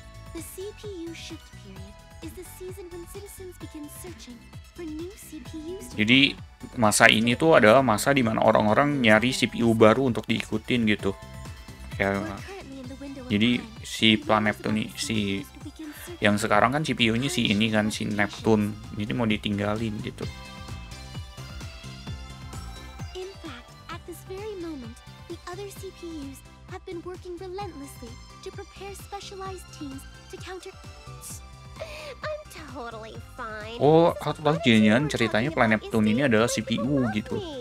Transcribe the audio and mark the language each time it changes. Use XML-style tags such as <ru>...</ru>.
<en>The CPU shift period is the season when citizens begin searching for new CPUs.</en> <id>Jadi masa ini tuh adalah masa di mana orang-orang nyari CPU baru untuk diikutin gitu. Ya, jadi si Planet Neptune, si yang sekarang kan CPU-nya si ini kan, si Neptune. Jadi mau ditinggalin gitu.</id> <en>In fact, at this very moment, the other CPUs have been working relentlessly to prepare specialized teams to counter. I'm totally fine.</en> <id>Oh, aku tahu jenian ceritanya Planet Neptune ini adalah CPU gitu.</id>